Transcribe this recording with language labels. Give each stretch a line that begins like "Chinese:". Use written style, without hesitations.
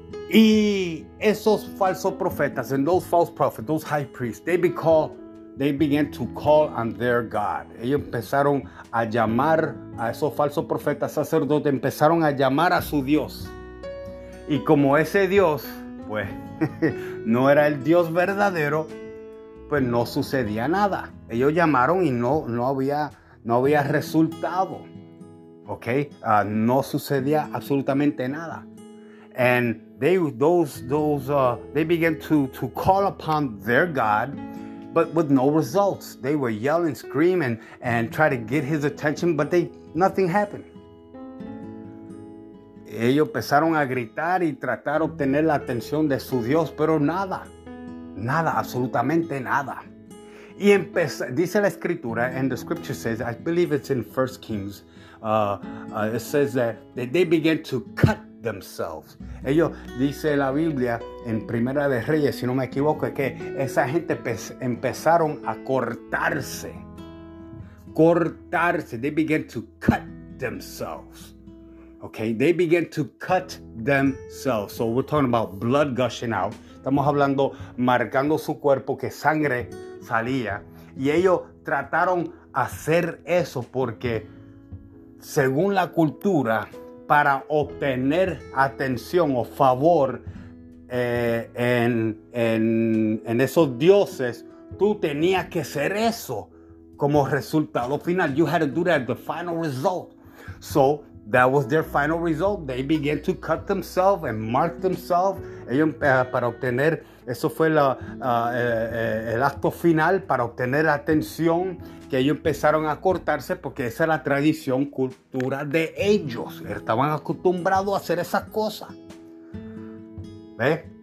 Spanish: Y esos falsos profetas,
English: and those false prophets, those high priests, they began to call on their God.
Spanish: Ellos empezaron a llamar a esos falsos profetas, sacerdotes, empezaron a llamar a su Dios. Y como ese Dios, pues, no era el Dios verdadero, pues no sucedía nada. Ellos llamaron y no había resultado. ¿Ok? No sucedía absolutamente nada.
English: And they began to call upon their God, but with no results. They were yelling, screaming, and try to get his attention, but nothing happened.
Spanish: Ellos empezaron a gritar y tratar de obtener la atención de su Dios, pero nada, nada, absolutamente nada. Y dice la escritura,
English: and the scripture says, I believe it's in 1 Kings, it says that they began to cut themselves.
Spanish: Ellos, dice la Biblia en Primera de Reyes, si no me equivoco, es que esa gente empezaron a cortarse. Cortarse.
English: They began to cut themselves. Okay, they began to cut themselves. So we're talking about blood gushing out.
Spanish: Estamos hablando, marcando su cuerpo, que sangre salía. Y ellos trataron hacer eso porque, según la cultura, para obtener atención o favor en esos dioses, tú tenías que hacer eso como resultado final.
English: You had to do that, the final result. So that was their final result. They began to cut themselves and mark themselves.
Spanish: Ellos para obtener, eso fue la, el acto final para obtener atención, que ellos empezaron a cortarse porque esa era la tradición, cultura de ellos. Estaban acostumbrados a hacer esas cosas. ¿Ve?